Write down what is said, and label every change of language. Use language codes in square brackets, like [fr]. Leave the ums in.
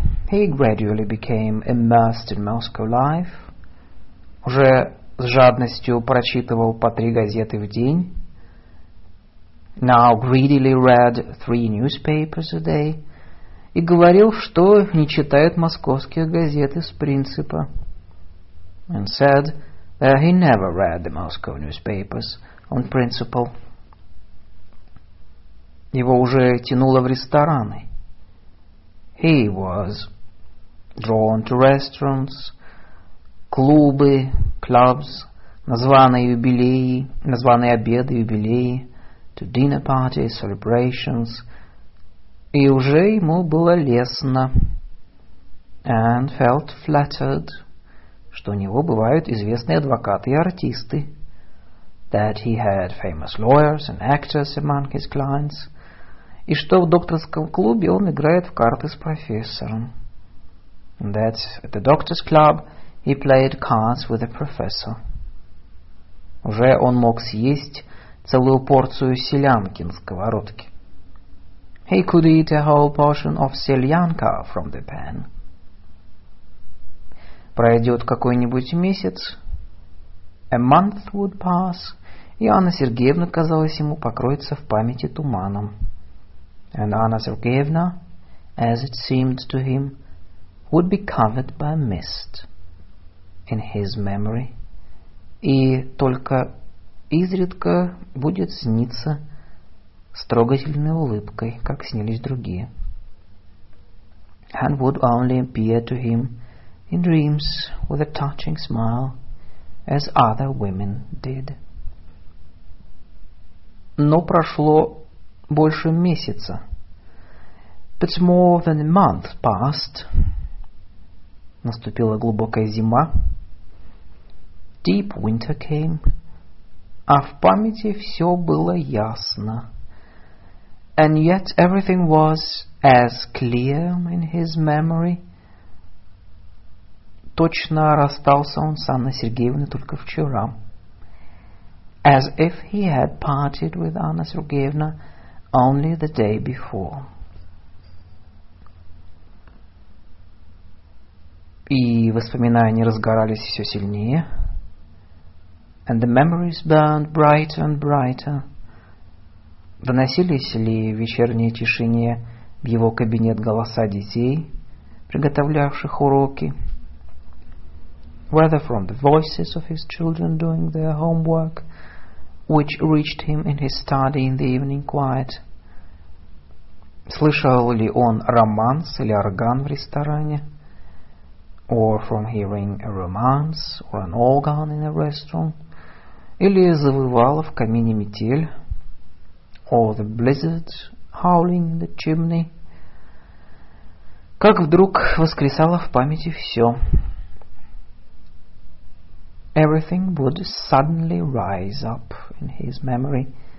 [en] He gradually became immersed in Moscow life. [ru] Уже с жадностью прочитывал по три газеты в день. [en] Now greedily read three newspapers a day. [ru] И говорил, что не читает московские газеты с принципа. [en] And said that he never read the Moscow newspapers on principle. [ru] Его уже тянуло в рестораны. [en] He was drawn to restaurants, [ru] клубы, [en] clubs, clubs, [ru] названные юбилеи, названные обеды, юбилеи, [en] to dinner parties, celebrations, [ru] и уже ему было лестно [en] and felt flattered, [ru] что у него бывают известные адвокаты и артисты, [en] that he had famous lawyers and actors among his clients [ru] — и что в докторском клубе он играет в карты с профессором. [en] That at the doctor's club he played cards with the professor. [ru] Уже он мог съесть целую порцию селянки на сковородке. [en] He could eat a whole portion of selyanka from the pan. [ru] Пройдет какой-нибудь месяц. [en] A month would pass, [ru] и Анна Сергеевна, казалось ему, покроется в памяти туманом. [en] and Anna Sergeyevna, as it seemed to him, would be covered by a mist in his memory. [ru] he только изредка будет сниться с трогательной улыбкой, как снились другие. [en] And would only appear to him in dreams with a touching smile, as other women did. [ru] Но прошло больше месяца. [en] But more than a month passed. [ru] Наступила глубокая зима. [en] Deep winter came. [ru] А в памяти все было ясно. [en] And yet everything was as clear in his memory. [ru] Точно расстался он с Анной Сергеевной только вчера. [en] As if he had parted with Anna Sergeyevna only only the day before. [ru] И воспоминания разгорались все сильнее. [en] And the memories burned brighter and brighter. [ru] Доносились ли в вечерней тишине в его кабинет голоса детей, приготовлявших уроки? [en] Whether from the voices of his children doing their homework, which reached him in his study in the evening quiet – [ru] Слышал ли он романс или орган в ресторане? [en] Or from hearing a romance or an organ in a restaurant? [ru] Или завывала в камине метель? [en] Or the blizzard howling in the chimney? [ru] Как вдруг воскресало в памяти все. [en] Everything would suddenly rise up in his memory.